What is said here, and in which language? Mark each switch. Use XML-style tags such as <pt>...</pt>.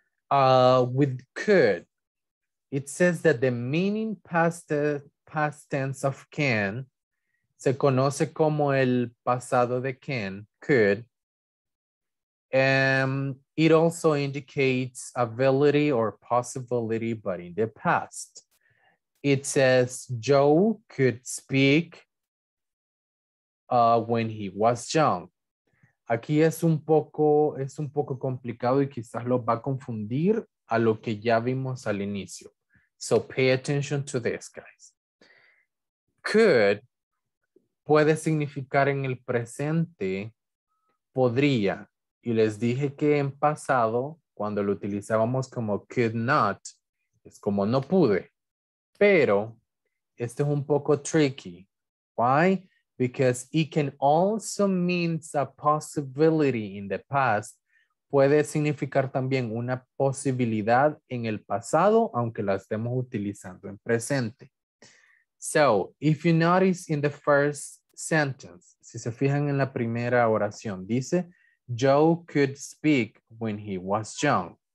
<en>With could, it says that the meaning past tense of can</en> <es>se conoce como el pasado de can,</es> <en>could. And it also indicates ability or possibility, but in the past. It says Joe could speak when he was young.</en> <es>Aquí es un poco complicado y quizás lo va a confundir a lo que ya vimos al inicio.</es> <en>So pay attention to this, guys. Could</en> <es>puede significar en el presente, podría. Y les dije que en pasado, cuando lo utilizábamos como could not, es como no pude. Pero, este es un poco tricky. Why?</es> <en>Because it can also mean a possibility in the past.</en> <es>Puede significar también una posibilidad en el pasado, aunque la estemos utilizando en presente.</es> <en>So, if you notice in the first sentence,</en> <es>si se fijan en la primera oración, dice,</es> <en>Joe could speak when he was young.</en>